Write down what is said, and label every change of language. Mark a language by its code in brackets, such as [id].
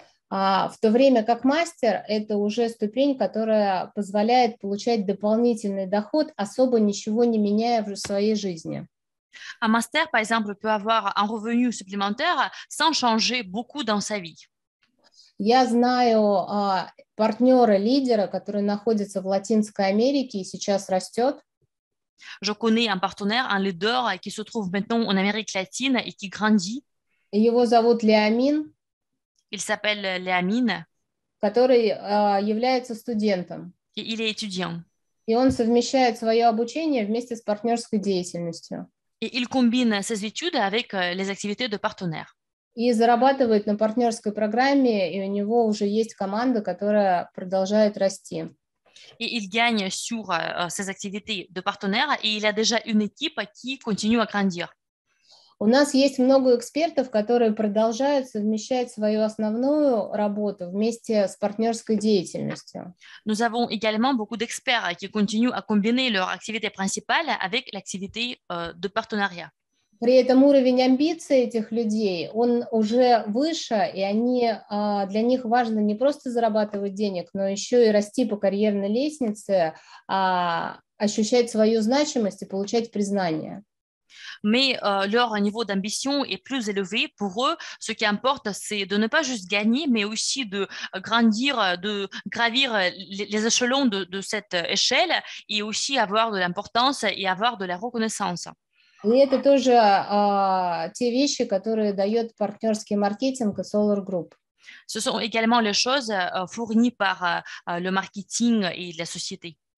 [ru] В то время как мастер, это уже ступень, которая позволяет получать дополнительный доход, особо ничего не меняя в своей жизни. [fr] Un master, par exemple, peut avoir un revenu supplémentaire sans changer beaucoup dans sa vie. [ru] Я знаю партнера-лидера, который находится в Латинской Америке и сейчас растет. [fr] Je connais un partenaire, un leader qui se trouve maintenant en Amérique latine et qui grandit. [ru] Его зовут Леамин. [fr] Il s'appelle Леамин. [ru] Который является студентом. [fr] Et il est étudiant. [ru] И он совмещает свое обучение вместе с партнерской деятельностью. [fr] Et il combine ses études avec les activités de partenaire. [ru] И зарабатывает на партнерской программе, и у него уже есть команда, которая продолжает расти. [fr] Et il gagne sur ses activités de partenaire, et il a déjà une équipe qui continue à grandir. [ru] У нас есть много экспертов, которые продолжают совмещать свою основную работу вместе с партнерской деятельностью. [fr] Nous avons également beaucoup d'experts qui continuent à combiner leur activité principale avec l'activité de partenariat. [ru] При этом уровень амбиций этих людей, он уже выше, и они, для них важно не просто зарабатывать денег, но еще и расти по карьерной лестнице, ощущать свою значимость и получать признание. [fr] Mais leur niveau d'ambition est plus élevé pour eux. Ce qui importe, c'est de ne pas juste gagner, mais aussi de grandir, de gravir les échelons de cette échelle et aussi avoir de l'importance et avoir de la reconnaissance. [ru] И это тоже те вещи, которые дает партнерский маркетинг и Solar Group. [fr] Ce sont également les choses fournies par le marketing et la société.